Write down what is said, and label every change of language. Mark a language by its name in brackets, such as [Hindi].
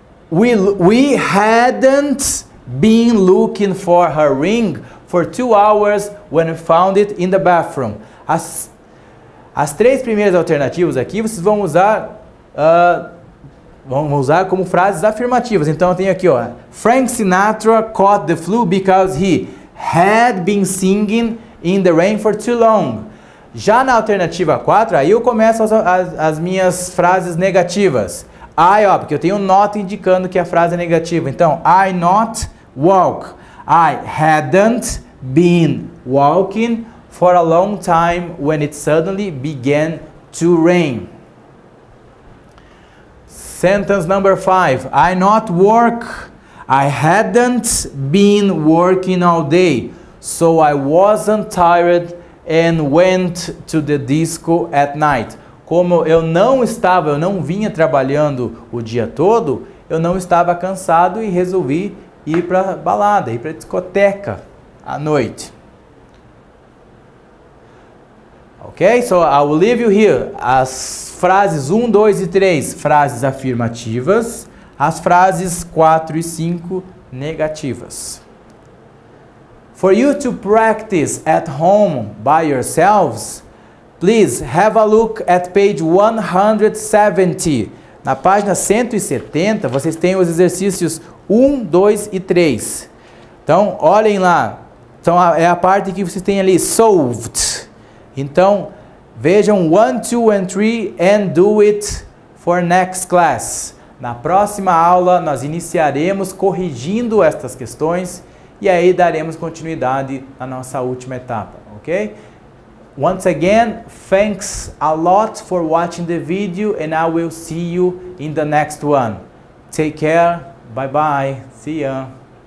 [English] We hadn't been looking for her ring for 2 hours when we found it in the bathroom. [Portuguese] As três primeiras alternativas aqui, vocês vão usar como frases afirmativas. Então, eu tenho aqui, ó, [English] Frank Sinatra caught the flu because he had been singing in the rain for too long. [Portuguese] Já na alternativa 4, aí eu começo as minhas frases negativas. I, ó, porque eu tenho nota indicando que a frase é negativa. [English] Então, I not walk. I hadn't been walking for a long time when it suddenly began to rain. Sentence number 5. I not work. I hadn't been working all day, so I wasn't tired and went to the disco at night. [Portuguese] Como eu não vinha trabalhando o dia todo, eu não estava cansado e resolvi ir para balada, ir para discoteca à noite. [English] Ok? So I will leave you here. [Portuguese] As frases 1, 2 e 3, frases afirmativas. As frases 4 e 5, negativas. [English] For you to practice at home by yourselves, please have a look at page 170. [Portuguese] Na página 170, vocês têm os exercícios 1, 2 e 3. Então, olhem lá. Então, é a parte que vocês têm ali, solved. Então, vejam 1, 2 [English] and 3 and do it for next class. [Portuguese] Na próxima aula, nós iniciaremos corrigindo estas questões. E aí daremos continuidade na nossa última etapa, ok? [English] Once again, thanks a lot for watching the video and I will see you in the next one. Take care. Bye-bye. See ya.